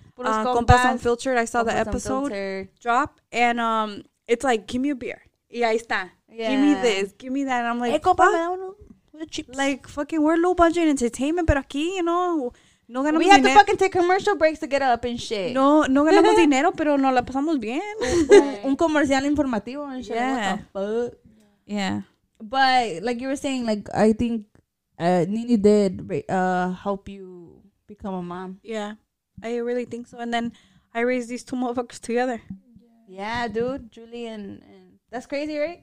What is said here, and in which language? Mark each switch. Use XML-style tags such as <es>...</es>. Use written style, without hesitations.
<en>Compas Unfiltered. I saw the episode drop. And it's like, give me a beer.</en> <es>Y ahí está.</es> <en>Give me this. Give me that. And I'm like, hey, compa, what? Chips. Like, fucking, we're low budget entertainment,</en> <es>pero aquí,</es> <en>you know.</en> <es>No ganamos dinero.</es> <en>We have to fucking take commercial breaks to get up and shit.</en> <es>No ganamos dinero, pero nos la pasamos bien. Un comercial informativo</es> <en>and shit. Yeah. What the fuck? Yeah. But, like you were saying, like, I think Nene did help you become a mom. Yeah. I really think so. And then I raised these two motherfuckers together. Yeah, dude. Julie and that's crazy, right?</en>